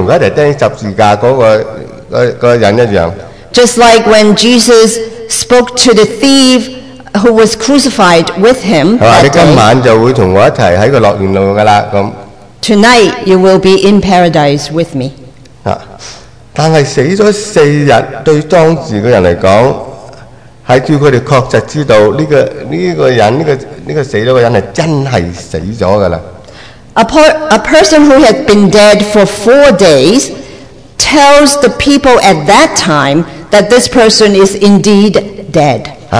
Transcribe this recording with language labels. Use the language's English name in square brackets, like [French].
[Chinese] 正如耶稣讲给那个同他来钉十字架那个人一样。 [English] Just like when Jesus spoke to the thief who was crucified with him, [Chinese] 你今晚就会同我一起在乐园里的了。 [English] Tonight you will be in paradise with me. [Chinese] 但是死了四日对当时的人来讲, 还叫他们确实知道这个死了的人真是死了。 [English] A person who had been dead for 4 days tells the people at that time that this person is indeed dead.